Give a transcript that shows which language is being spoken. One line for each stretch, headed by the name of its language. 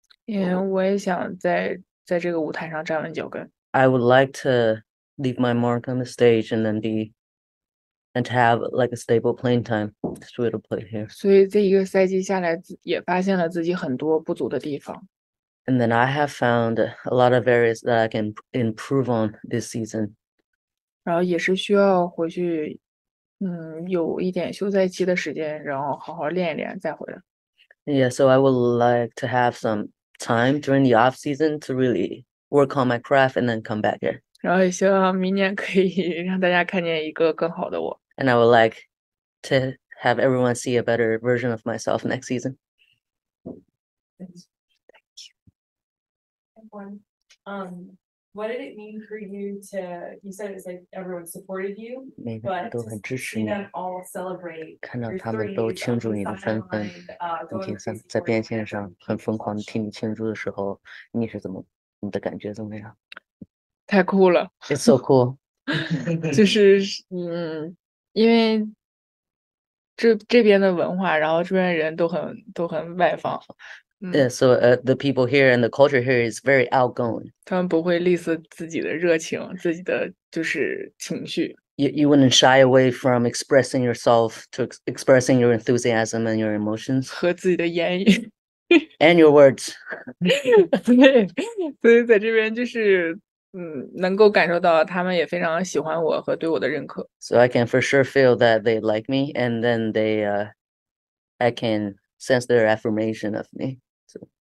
Chinese: 因为我也想在这个舞台上站稳脚跟。
English: I would like to leave my mark on the stage and then to have like a stable playing time, so it'll play here.
Chinese: 所以这一个赛季下来也发现了自己很多不足的地方。
English: And then I have found a lot of areas that I can improve on this season.
Chinese: 然后也是需要回去，有一点休赛期的时间，然后好好练一练再回来。
English: Yeah, so I would like to have some time during the off season to really work on my craft and then come back here.
Chinese: 然后也希望明年可以让大家看见一个更好的我。
English: And I would like to have everyone see a better version of myself next season. Thank you. What did it mean for you to, you said it's like everyone supported you, but to see them all celebrate,
Chinese: 看到他们都庆祝你的身份，并且在边线上很疯狂替你庆祝的时候，你是怎么，你的感觉怎么样？太酷了。
English: It's so cool.
Chinese: 就是因为这边的文化，然后这边人都很外放。
English: Yeah, so the people here and the culture here is very outgoing.
Chinese: 他们不会吝啬自己的热情，自己的就是情绪。
English: You wouldn't shy away from expressing yourself to expressing your enthusiasm and your emotions.
Chinese: 和自己的言语。
English: And your words.
Chinese: 所以在这边就是能够感受到他们也非常喜欢我和对我的认可。
English: So I can for sure feel that they like me, and then they, I can sense their affirmation of me. So